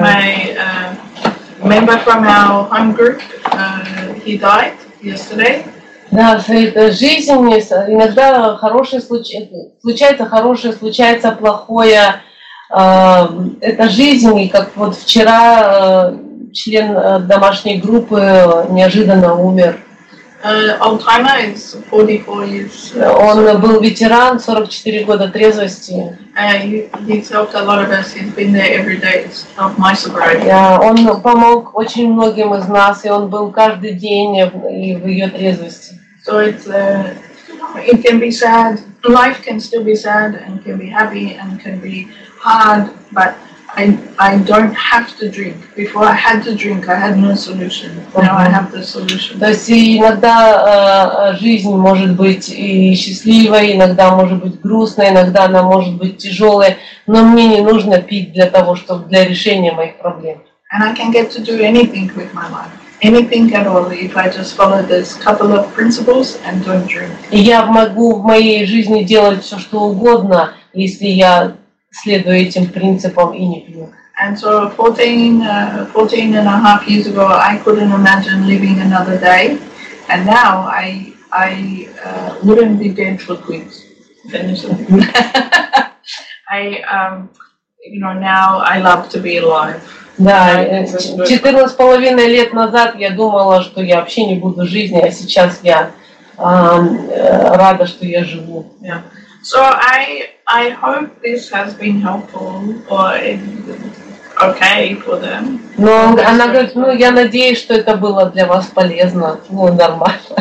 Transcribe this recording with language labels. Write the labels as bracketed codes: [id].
[en] My member from our home group, he died yesterday. [ru] Да, это жизнь, иногда хорошее случается, хорошее случается, плохое. Это жизнь, и как вот вчера член домашней группы неожиданно умер. [en] Old timer is 44 years. [ru] Он был ветеран, 44 года трезвости. [en] He helped a lot of us. He's been there every day. It's not my sobriety. [ru] Он помог очень многим из нас, и он был каждый день в ее трезвости. [en] So it can be sad. Life can still be sad and can be happy and can be hard, but I don't have to drink. Before I had to drink, I had no solution. Now I have the solution. [ru] То есть иногда жизнь может быть и счастливой, иногда может быть грустной, иногда она может быть тяжелой, но мне не нужно пить для того, чтобы для решения моих проблем. [en] And I can get to do anything with my life. Anything at all if I just follow this couple of principles and don't drink. [ru] Я могу в моей жизни делать все, что угодно, если я следую этим принципам и не пью. [en] And so 14 and a half years ago, I couldn't imagine living another day. And now I wouldn't be dead for quits. Now I love to be alive. [ru] Да, 14.5 лет назад я думала, что я вообще не буду жизни, а сейчас я рада, что я живу. [en] Yeah. So I hope this has been helpful or okay for them. [ru] Но она говорит, ну я надеюсь, что это было для вас полезно, ну нормально.